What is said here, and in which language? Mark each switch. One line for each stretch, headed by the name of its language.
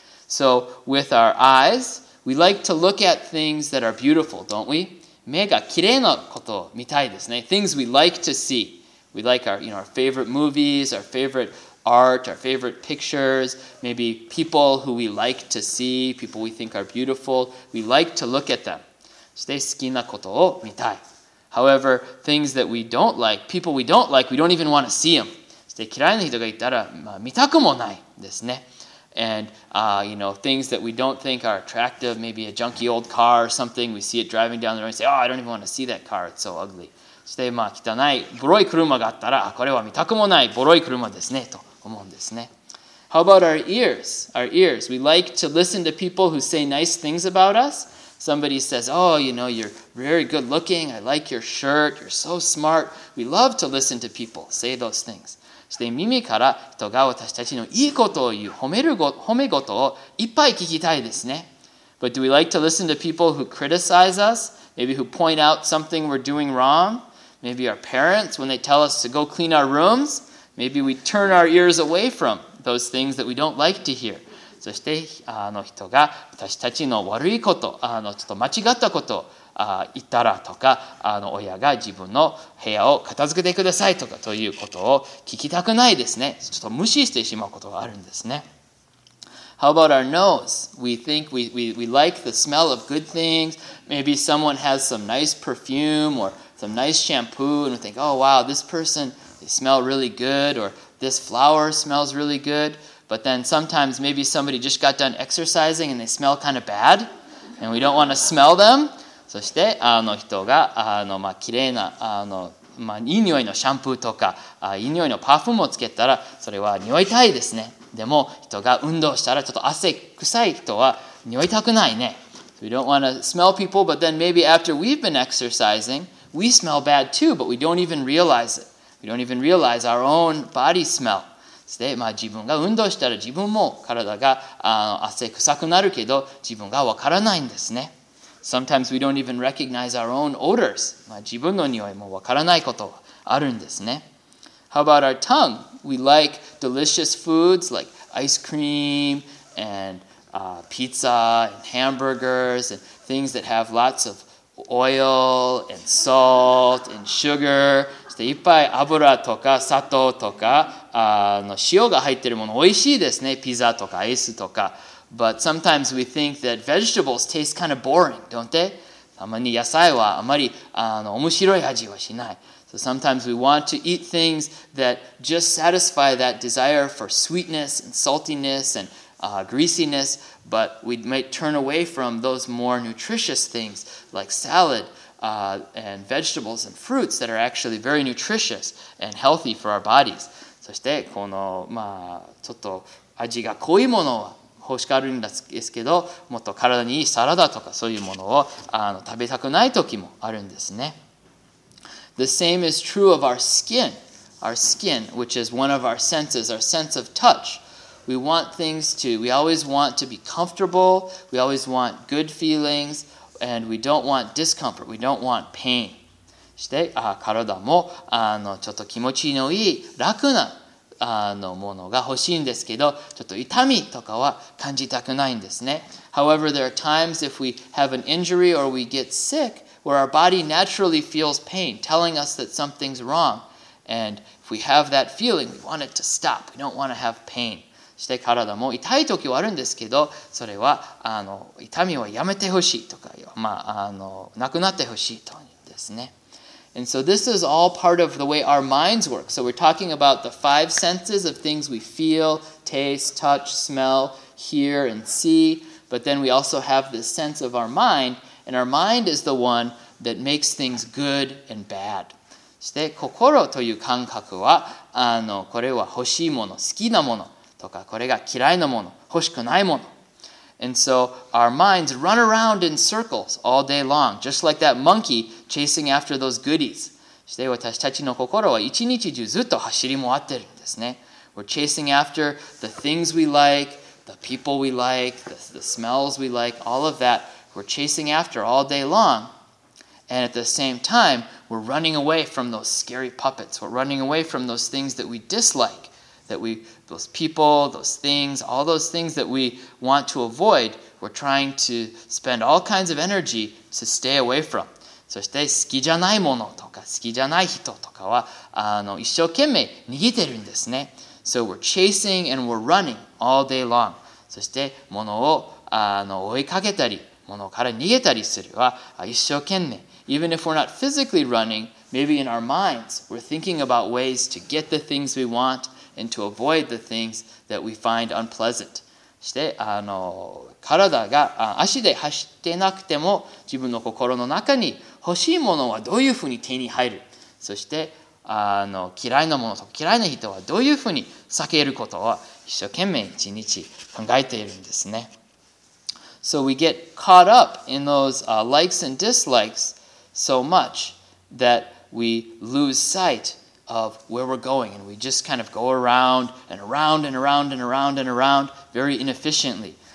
English: So with our eyes, we like to look at things that are beautiful, don't we?
Japanese: 目がきれいなことを見たいですね。
English: Things we like to see. We like our, you know, our favorite movies, our favoriteart, our favorite pictures, maybe people who we like to see, people we think are beautiful, we like to look at them.
Japanese: そして好きなことを見たい。
English: However, things that we don't like, people we don't like, we don't even want to see them.
Japanese: そして嫌いな人がいたら、まあ、見たくもないですね。
English: And, you know, things that we don't think are attractive, maybe a junky old car or something, we see it driving down the road and say, oh, I don't even want to see that car, it's so ugly.
Japanese: そして、まあ、汚い、ボロい車があったら、これは見たくもない、ボロい車ですね、と思うんですね。
English: How about our ears? Our ears. We like to listen to people who say nice things about us. Somebody says, oh, you know, you're very good looking. I like your shirt. You're so smart. We love to listen to people say those things.
Japanese: そして、耳から人が私たちのいいことを言う、褒め事をいっぱい聞きたいですね。
English: But do we like to listen to people who criticize us? Maybe who point out something we're doing wrong? Maybe our parents, when they tell us to go clean our rooms, maybe we turn our ears away from those things that we don't like to hear.
Japanese: そして、あの人が私たちの悪いこと、あのちょっと間違ったことを言ったらとか、あの親が自分の部屋を片付けてくださいとかということを聞きたくないですね。ちょっと無視してしまうことがあるんですね。
English: How about our nose? We think we like the smell of good things. Maybe someone has some nice perfume or... some nice shampoo, and we think, oh wow, this person, they smell really good, or this flower smells really good. But then sometimes maybe somebody just got done exercising and they smell kind of bad, and we don't want to smell them.
Japanese: そして、あの人が、あの、まあ、綺麗な、あの、まあ、いい匂いのシャンプーとか、あ、いい匂いのパフームをつけたら、それは匂いたいですね。でも、人が運動したら、ちょっと汗臭い人は匂いたくないね。
English: So we don't want to smell people, but then maybe after we've been exercising,We smell bad too, but we don't even realize it. We don't even realize our own body smell.
Japanese: そして、まあ、自分が運動したら自分も体が汗臭くなるけど自分がわからないんですね。
English: Sometimes we don't even recognize our own odors.
Japanese: まあ、自分の匂いもわからないことがあるんですね。
English: How about our tongue? We like delicious foods like ice cream and pizza and hamburgers and things that have lots of oil and salt and sugar.
Japanese: そしていっぱい油とか砂糖とか塩が入ってるものおいしいですね。ピザとかアイスとか。
English: But sometimes we think that vegetables taste kind of boring, don't they?
Japanese: たまに野菜はあまり面白い味はしない。
English: So sometimes we want to eat things that just satisfy that desire for sweetness and saltiness and greasiness, but we might turn away from those more nutritious things like salad and vegetables and fruits that are actually very nutritious and healthy for our bodies.
Japanese: そしてこのまあちょっと味が濃いものは欲しがるんですけど、もっと体にいいサラダとかそういうものを食べたくない時もあるんですね。
English: The same is true of our skin, which is one of our senses, our sense of touch. We always want to be comfortable, we always want good feelings, and we don't want discomfort, we don't want pain.
Japanese: そして、体もちょっと気持ちのいい楽なものが欲しいんですけど、ちょっと痛みとかは感じたくないんですね。
English: However, there are times if we have an injury or we get sick,where our body naturally feels pain, telling us that something's wrong. And if we have that feeling, we want it to stop. We don't want to have pain.
Japanese: そして体も痛い時はあるんですけど、それは痛みはやめてほしいとか、まあなくなってほしいとですね。
English: And so this is all part of the way our minds work. So we're talking about the five senses of things we feel, taste, touch, smell, hear, and see. But then we also have this sense of our mind,And our mind is the one that makes things good and bad.
Japanese: そして心という感覚は、これは欲しいもの、好きなものとか、これが嫌いなもの、欲しくないもの。
English: And so our minds run around in circles all day long, just like that monkey chasing after those goodies.
Japanese: そして私たちの心は一日中ずっと走り回ってるんですね。
English: We're chasing after the things we like, the people we like, the smells we like, all of that. We're chasing after all day long, and at the same time, we're running away from those scary puppets. We're running away from those things that we dislike, those people, those things, all those things that we want to avoid, we're trying to spend all kinds of energy to stay away from.
Japanese: そして好きじゃないものとか好きじゃない人とかは一生懸命逃げてるんですね。
English: So we're chasing and we're running all day long.
Japanese: そして物を追いかけたり、ものから逃げたりするは一生懸命。
English: Even if we're not physically running, maybe in our minds, we're thinking about ways to get the things we want and to avoid the things that we find unpleasant.
Japanese: そして体が足で走ってなくても自分の心の中に欲しいものはどういうふうに手に入る。そして嫌いなものとか嫌いな人はどういうふうに避けることを一生懸命一日考えているんですね。
English: So we get caught up in those likes and dislikes so much that we lose sight of where we're going. And we just kind of go around and around and around and around and around very inefficiently.